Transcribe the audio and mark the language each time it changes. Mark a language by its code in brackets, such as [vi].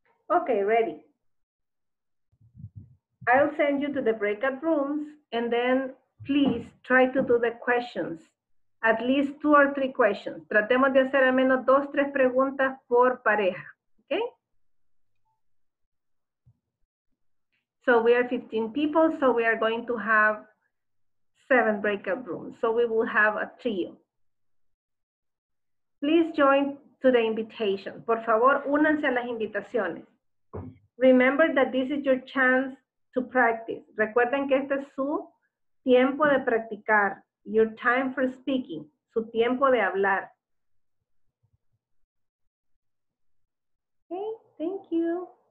[en] Okay, ready. I'll send you to the breakout rooms and then please try to do the questions. At least 2 or 3 questions. [es] Tratemos de hacer al menos 2 o 3 preguntas por pareja. [en] Okay? So we are 15 people, so we are going to have 7 breakout rooms. So we will have a trio. Please join to the invitation. [es] Por favor, únanse a las invitaciones. [en] Remember that this is your chance to practice. [es] Recuerden que este es su tiempo de practicar. [en] Your time for speaking, [es] su tiempo de hablar. [en] Okay, thank you.